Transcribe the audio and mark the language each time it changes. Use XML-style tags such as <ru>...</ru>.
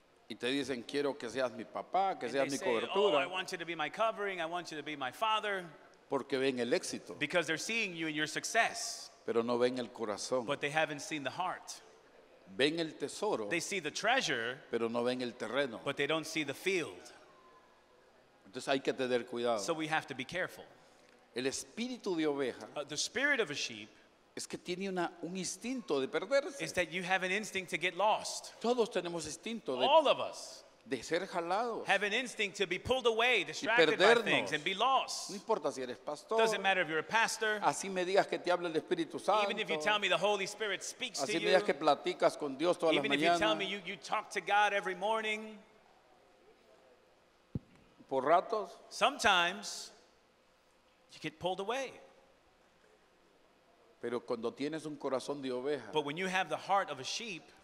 <es>Y te dicen, quiero que seas mi papá, que seas mi cobertura.</es> <en>Oh, I want you to be my covering, I want you to be my father.</en> <es>Porque ven el éxito.</es> <en>Because they're seeing you in your success.</en> <es>Pero no ven el corazón.</es> <en>But they haven't seen the heart.</en> <es>Ven el tesoro.</es> <en>They see the treasure.</en> <es>Pero no ven el terreno.</es> <en>But they don't see the field.</en> <es>Entonces hay que tener cuidado.</es> <en>So we have to be careful.</en> <es>El espíritu de oveja.</es> <en>The spirit of a sheep.</en> <es>Es que tiene un instinto de perderse.</es> <en>Is that you have an instinct to get lost.</en> <es>Todos tenemos instinto de,</es> <en>all of us</en> <es>de ser jalados.</es> <en>Have an instinct to be pulled away, distracted by things, and be lost.</en> <es>No importa si eres pastor.</es> <en>Doesn't matter if you're a pastor.</en> <es>Así me digas que te habla el Espíritu Santo.</es> <en>Even if you tell me the Holy Spirit speaks</en> <es>así</es> <en>to you.</en> <es>Así me digas que platicas con Dios todas las mañanas.</es> <en>Even if you tell me you talk to God every morning.</en> <es>Por ratos.</es> <en>Sometimes you get pulled away.</en> <es>Pero cuando tienes un corazón de oveja,</es> <en>but when you have the heart of a sheep,</en>